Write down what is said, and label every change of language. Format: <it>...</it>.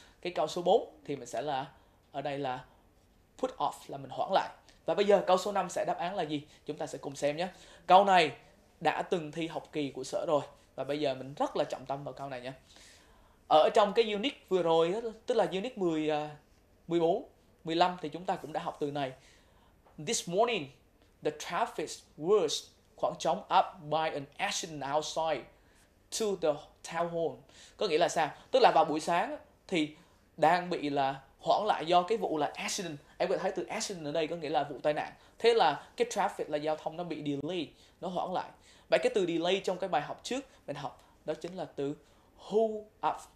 <vi>Cái câu số 4 thì mình sẽ là ở đây là put off, là mình hoãn lại. Và bây giờ câu số 5 sẽ đáp án là gì? Chúng ta sẽ cùng xem nhé. Câu này đã từng thi học kỳ của sở rồi và bây giờ mình rất là trọng tâm vào câu này nhé. Ở trong cái unit vừa rồi, tức là unit 10, 14, 15 thì chúng ta cũng đã học từ này.</vi> <en>This morning, the traffic was</en> <vi>khoảng trống</vi> <en>up by an accident outside to the town hall.</en> <vi>Có nghĩa là sao? Tức là vào buổi sáng thì đang bị là hoãn lại do cái vụ là accident. Em có thể thấy từ accident ở đây có nghĩa là vụ tai nạn. Thế là cái traffic là giao thông nó bị delay, nó hoãn lại. Vậy cái từ delay trong cái bài học trước mình học đó chính là từ hold up.</vi>